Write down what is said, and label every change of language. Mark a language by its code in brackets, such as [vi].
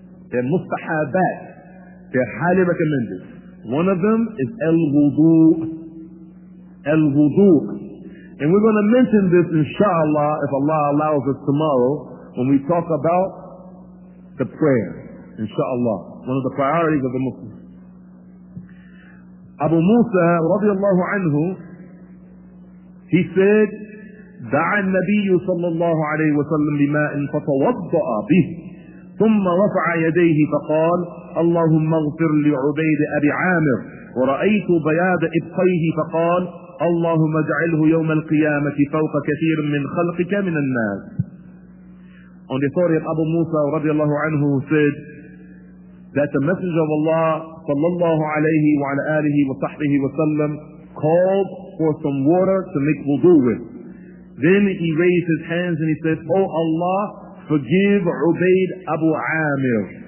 [en] They're mustahabat. They're highly recommended. One of them is al-wudu. Al-wudu. And we're going to mention this, inshallah, if Allah allows us tomorrow, when we talk about the prayer. Inshallah. One of the priorities of the Muslim. [ar] Abu Musa, radiallahu anhu, [en] he said, [ar] دَعَى النَّبِيُّ صَلَّى اللَّهُ عَلَيْهِ وَسَلَّمْ بِمَاءٍ فَتَوَضَّأَ بِهِ ثُمَّ رَفَعَ يَدَيْهِ فَقَالَ اللَّهُمَّ اغْفِرْ لِعُبَيْدِ أَبِي عَامِرٍ وَرَأَيْتُ بَيَاضَ إِبْطَيْهِ فَقَالَ اللَّهُمَّ اجْعَلْهُ يَوْمَ الْقِيَامَةِ فَوْقَ كَثِيرٍ مِنْ خَلْقِكَ مِنَ النَّاسِ. [en] On the story of Abu Musa radiallahu anhu, who said that the Messenger of Allah sallallahu alayhi wa ala alihi wa sahbihi wa sallam called for some water to make wudu with. Then he raised his hands and he said, O Allah, forgive Ubaid Abu Amir.